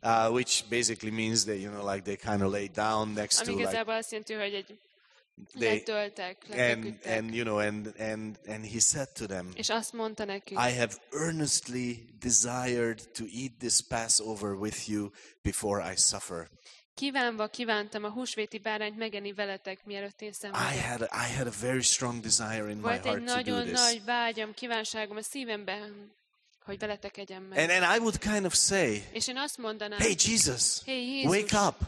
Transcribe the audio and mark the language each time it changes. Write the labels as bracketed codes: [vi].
[en] which basically means that, you know, like they kind of lay down next to, like, [hu] azt jelenti, hogy egy [en] they, [hu] letöltek, [en] and you know, and he said to them, [hu] és azt mondta nekik, [en] I have earnestly desired to eat this Passover with you before I suffer. [hu] Kívánva kívántam a húsvéti bárányt megenni veletek, mielőtt én szenvedek. [en] I had a very strong desire in my heart to do this. [hu] Volt egy nagyon nagy vágyam, kívánságom a szívemben, hogy veletek egyem meg. [en] And I would kind of say, [hu] és én azt mondanám, [en] hey Jesus, hey [hu] Jézus, [en] wake up.